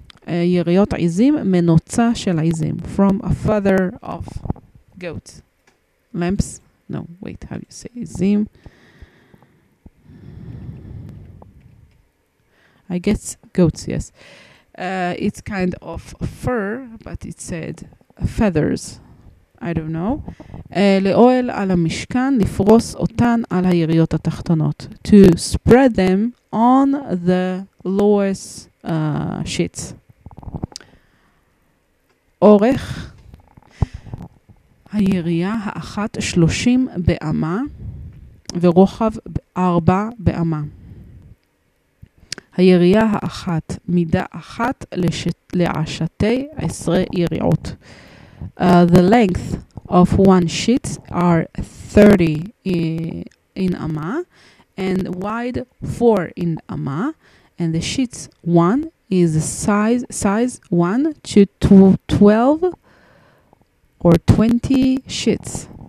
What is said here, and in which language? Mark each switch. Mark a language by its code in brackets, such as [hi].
[he] יריעות עיזים מנוצה של עיזים, [en] from a feather of goats. Lamps? No, wait, how do you say עיזים? I guess goats, yes. It's kind of fur, but it said feathers. I don't know. [he] לאוהל על המשכן, לפרוס אותן על היריות התחתונות. [en] To spread them on the lowest sheets. [he] אורך היריה האחת 30 באמה ורוחב 4 באמה. היריעה האחת, מידה אחת לעשתי עשרה יריעות. [en] The length of one sheet are 30 in amma, and wide 4 in amma, and the sheet one is size 1 to 12 or 20 sheets.